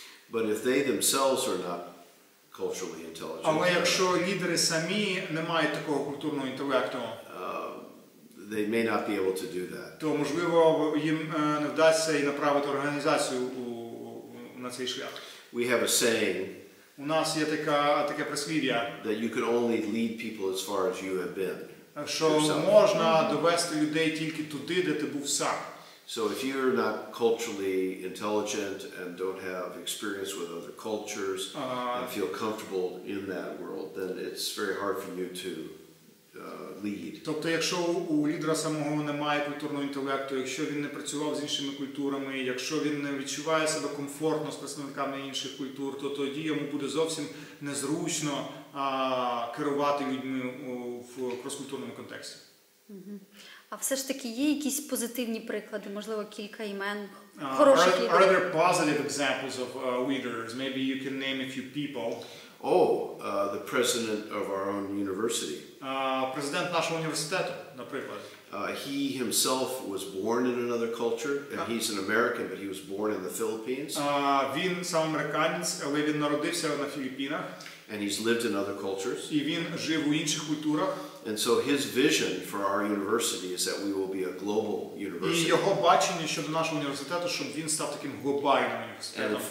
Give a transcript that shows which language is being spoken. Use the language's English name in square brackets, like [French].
[English] But if they themselves are not culturally intelligent. [Ukrainian] Але якщо лідери самі не мають такого культурного інтелекту, [English] they may not be able to do that. [Ukrainian] То, можливо, їм не вдасться і направити організацію на цей шлях. [English] We have a saying. [Ukrainian] У нас є таке прислів'я. [English] That you can only lead people as far as you have been. [Ukrainian] Що можна довести людей тільки туди, де ти був сам. [English] So if you're not culturally intelligent and don't have experience with other cultures and feel comfortable in that world, then it's very hard for you to lead. [Ukrainian] Тобто якщо у лідера самого немає культурного інтелекту, якщо він не працював з іншими культурами, якщо він не відчуває себе комфортно з представниками інших культур, то тоді йому буде зовсім незручно керувати людьми в кроскультурному контексті. А все ж таки є якісь позитивні приклади, можливо, кілька імен хороших лідерів? [English] Are there positive examples of leaders? Maybe you can name a few people. Oh, the president of our own university. [Ukrainian] Президент нашого університету, наприклад. [English] He himself was born in another culture, and he's an American, but he was born in the Philippines. [Ukrainian] Він сам американець, але він народився на Філіппінах. [English] And he's lived in other cultures. [Ukrainian] І він жив у інших культурах. [English] And so his vision for our university is that we will be a global university. [Ukrainian] І його бачення щодо нашого університету, щоб він став таким глобальним університетом.